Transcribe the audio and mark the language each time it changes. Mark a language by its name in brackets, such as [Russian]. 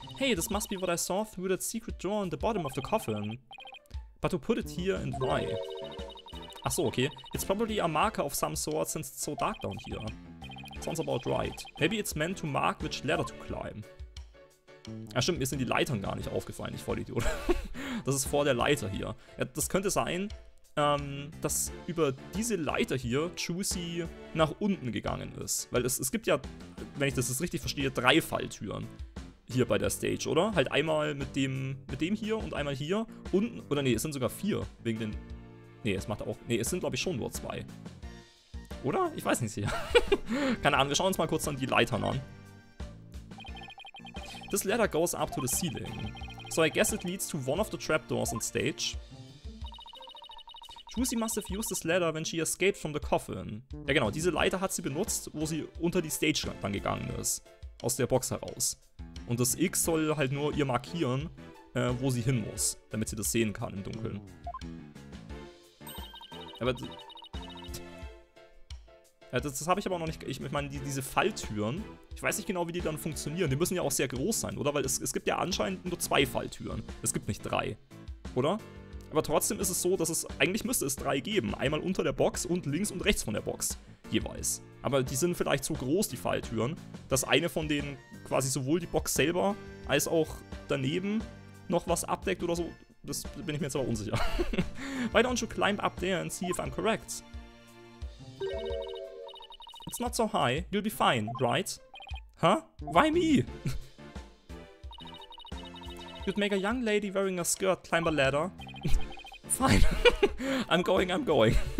[English] Hey, this must be what I saw through that secret drawer in the bottom of the coffin. But who put it here and why? [German] Achso, [English] okay. It's probably a marker of some sort since it's so dark down here. Sounds about right. Maybe it's meant to mark which ladder to climb. [German] Ja, stimmt, mir sind die Leitern gar nicht aufgefallen, ich Vollidiot. Das ist vor der Leiter hier. Ja, das könnte sein, dass über diese Leiter hier Juicy nach unten gegangen ist. Weil es gibt ja, wenn ich das richtig verstehe, 3 Falltüren hier bei der Stage, oder? Halt einmal mit dem hier und einmal hier unten. Oder nee, es sind sogar 4 wegen den. Nee, es macht auch. Nee, es sind, glaube ich, schon nur 2. Oder? Ich weiß nicht hier. Keine Ahnung, wir schauen uns mal kurz dann die Leitern an. [English] This ladder goes up to the ceiling. So I guess it leads to one of the trapdoors on stage. Juicy must have used this ladder when she escaped from the coffin. [German] Ja genau, diese Leiter hat sie benutzt, wo sie unter die Stage dann gegangen ist. Aus der Box heraus. Und das X soll halt nur ihr markieren, wo sie hin muss, damit sie das sehen kann im Dunkeln. Aber ja, das habe ich aber noch nicht. Ich meine, diese Falltüren, ich weiß nicht genau, wie die dann funktionieren. Die müssen ja auch sehr groß sein, oder? Weil es gibt ja anscheinend nur 2 Falltüren. Es gibt nicht 3. Oder? Aber trotzdem ist es so, dass es. Eigentlich müsste es 3 geben. Einmal unter der Box und links und rechts von der Box. Jeweils. Aber die sind vielleicht so groß, die Falltüren, dass eine von denen quasi sowohl die Box selber als auch daneben noch was abdeckt oder so. Das bin ich mir jetzt aber unsicher. [English] Why don't you climb up there and see if I'm correct? It's not so high. You'll be fine, right? Huh? Why me? You'd make a young lady wearing a skirt climb a ladder. Fine. I'm going.